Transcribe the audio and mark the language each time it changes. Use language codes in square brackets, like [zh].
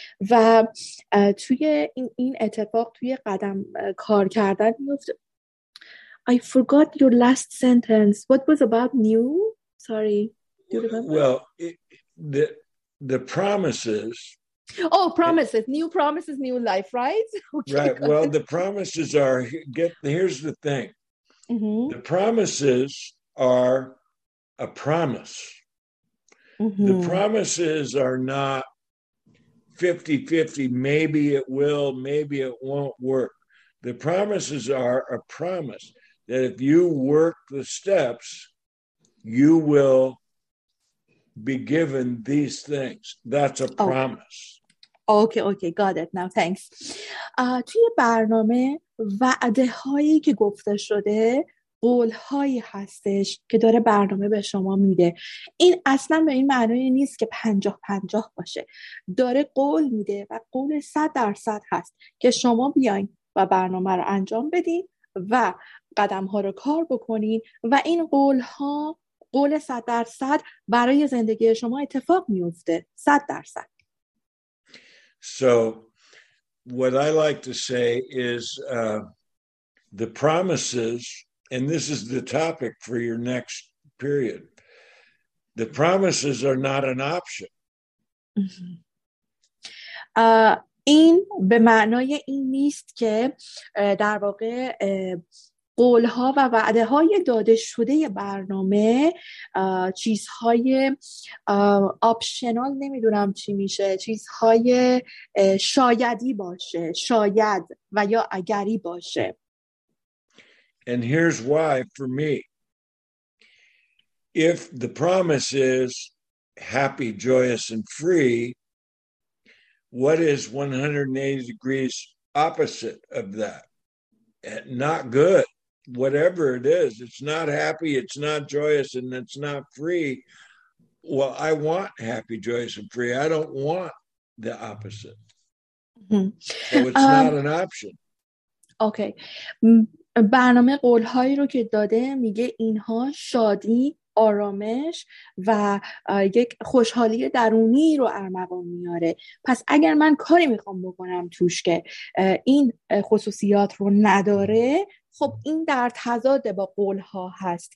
[fa] و توی این اتفاق توی قدم کار کردن میفته. [en] I forgot your last sentence. What was about new? Sorry. Do you remember? Well, the promises. Oh, promises. New promises, new life, right? Okay, right. Well, ahead. The promises are, here's the thing. Mm-hmm. The promises are a promise. Mm-hmm. The promises are not 50-50, maybe it will, maybe it won't work. The promises are a promise that if you work the steps, you will be given these things. That's a promise. Okay, got it. Now, thanks. [fa] توی برنامه وعده هایی که گفته شده قول هایی هستش که داره برنامه به شما میده. این اصلا به این معنی نیست که 50-50 باشه. داره قول میده و قول 100% هست که شما بیاین و برنامه رو انجام بدین و قدم ها رو کار بکنین و این قول ها قول 100% برای زندگی شما اتفاق میفته. 100%. [en] So what I like to say is the promises. And this is the topic for your next period. The promises are not an option. [fa] این به معنای این نیست که در واقع قول‌ها و وعده‌های داده شده برنامه چیزهای آپشنال نمیدونم چی میشه، چیزهای شایدی باشه، شاید و یا اگری باشه. [en] And here's why for me. If the promise is happy, joyous, and free, what is 180 degrees opposite of that? Not good. Whatever it is, it's not happy, it's not joyous, and it's not free. Well, I want happy, joyous, and free. I don't want the opposite. Mm-hmm. So it's not an option. Okay. [fa] برنامه قولهایی رو که داده میگه اینها شادی، آرامش و یک خوشحالی درونی رو ارمغان میاره. پس اگر من کاری میخوام بکنم توش که این خصوصیات رو نداره، خب این در تضاد با قولها هست.